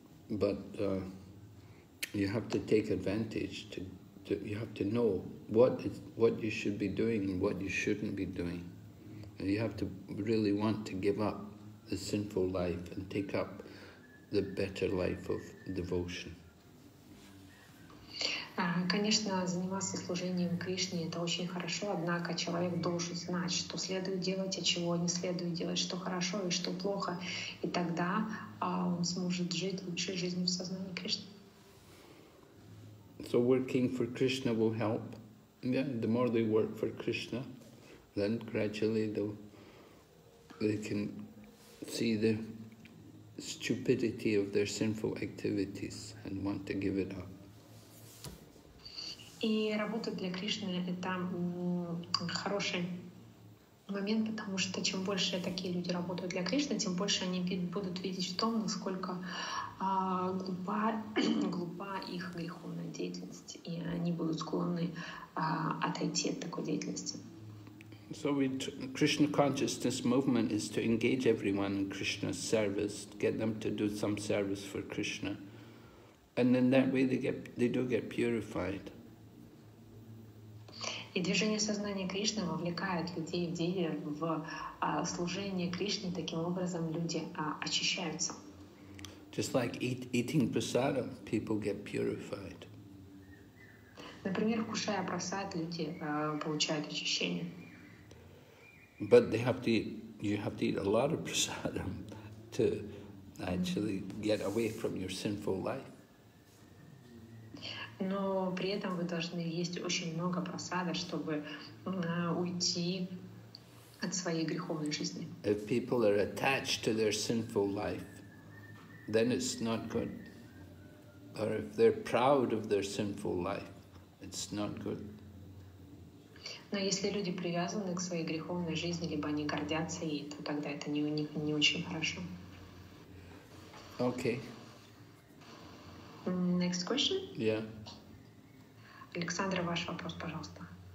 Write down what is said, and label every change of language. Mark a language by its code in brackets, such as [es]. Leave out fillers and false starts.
[en] But you have to take advantage. You have to know what you should be doing and what you shouldn't be doing. And you have to really want to give up the sinful life and take up the better life of devotion. [ru] Конечно, заниматься служением Кришне – это очень хорошо, однако человек должен знать, что следует делать, а чего не следует делать, что хорошо и что плохо, и тогда он сможет жить лучшей жизнью в сознании Кришны. [en] So working for Krishna will help. Yeah, the more they work for Krishna, then gradually they can see the stupidity of their sinful activities and want to give it up. [ru] И работа для Кришны — это хороший момент, потому что чем больше такие люди работают для Кришны, тем больше они будут видеть в том, насколько глупа их греховная деятельность, и они будут склонны отойти от такой деятельности. [en] So Krishna consciousness movement is to engage everyone in Krishna's service, get them to do some service for Krishna, and then that way they do get purified. [ru] И движение сознания Кришны вовлекает людей в служение Кришне, таким образом люди очищаются. [en] Just like eating prasadam, people get purified. [ru] Например, кушая прасад, люди получают очищение. [en] But you have to eat a lot of prasadam to actually get away from your sinful life. [ru] Но при этом вы должны есть очень много просада, чтобы уйти от своей греховной жизни. [en] If people are attached to their sinful life, then it's not good. Or if they're proud of their sinful life, it's not good. [ru] Но если люди привязаны к своей греховной жизни, либо они гордятся ей, то тогда это не очень хорошо. [en] Okay. Next question? Yeah. [ru] Александра, ваш вопрос, пожалуйста.